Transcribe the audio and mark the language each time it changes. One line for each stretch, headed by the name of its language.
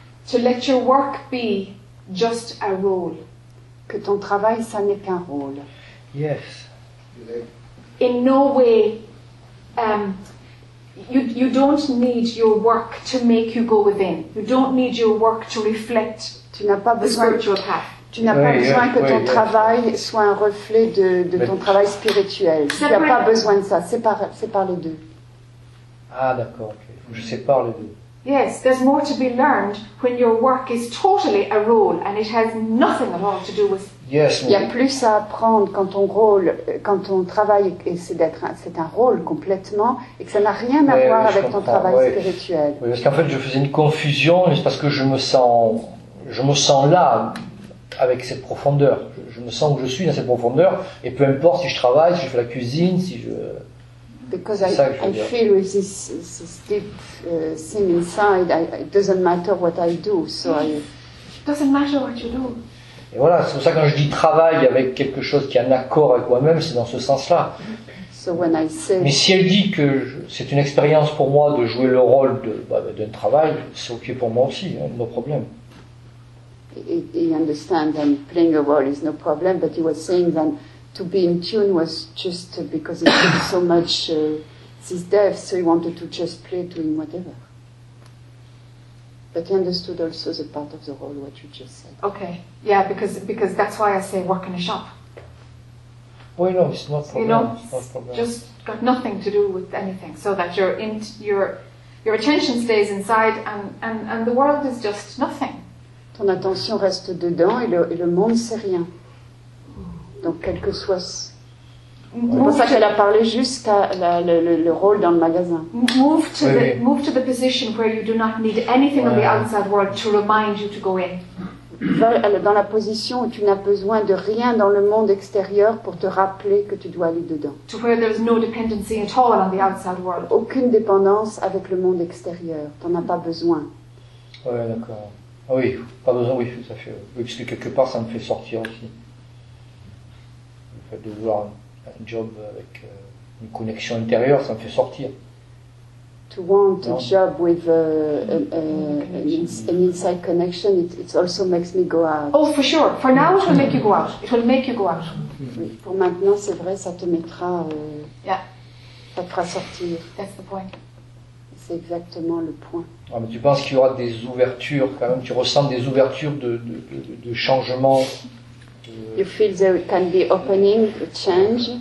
English: To let your work be just a role.
French: Que ton travail, ça n'est qu'un rôle.
English: Yes. In no way, you don't need your work to make you go within. You don't need your work to reflect
French: tu n'as pas besoin,
English: the spiritual path.
French: Tu n'as pas besoin que ton travail soit un reflet de ton travail spirituel. Tu n'as pas besoin de ça. Sépare les deux. Ah, d'accord. Okay. Je sépare les deux.
English: Yes, there's more to be learned when your work is totally a role and it has nothing at all to do with. Yes.
French: Il y a plus à apprendre quand ton rôle, quand ton travail et c'est un rôle complètement et que ça n'a rien à voir avec ton travail spirituel. Oui, parce qu'en fait, je faisais une confusion, c'est parce que je me sens là avec cette profondeur. Je me sens que je suis dans cette profondeur et peu importe si je travaille, si je fais la cuisine, si je
English: Because I feel with this deep thing inside, it doesn't matter what I do. So it doesn't matter what you do.
French: Et voilà, c'est pour ça que quand je dis travail avec quelque chose qui est en accord avec moi-même, c'est dans ce sens-là.
English: So when I say,
French: mais si elle dit que c'est une expérience pour moi de jouer le rôle d'un travail, c'est ok pour moi aussi, hein,
English: no problem. He understands that playing a role is no problem, but he was saying that. To be in tune was just because it took so much his death, so he wanted to just play doing whatever. But he understood also the part of the role, what you just said. Okay, yeah, because that's why I say work in a shop. Well, no, it's not a problem. You know, just got nothing to do with anything, so that your attention stays inside and the world is just nothing.
French: Ton attention reste dedans et le monde, c'est rien. Donc, quel que soit. C'est pour ça qu'elle a parlé jusqu'à le rôle dans le magasin.
English: Move to the position where you do not need anything on the outside world to remind you to go in.
French: Dans la position où tu n'as besoin de rien dans le monde extérieur pour te rappeler que tu dois aller dedans.
English: To where there is no dependency at all on the outside world.
French: Aucune dépendance avec le monde extérieur. Tu n'en as pas besoin. Oui, d'accord. Ah oui, pas besoin, oui, ça fait. Oui, parce que quelque part, ça me fait sortir aussi. De vouloir un job avec une connexion intérieure, ça me fait sortir.
English: To want a job with an inside connection, it also makes me go out. Oh, for sure. For now, it will make you go out. It will make you go out.
French: Oui, pour maintenant, c'est vrai, ça te mettra. Ça te fera sortir.
English: That's the point.
French: C'est exactement le point. Ah, mais tu penses qu'il y aura des ouvertures quand même. Tu ressens des ouvertures de changement.
English: You feel there can be opening, a change?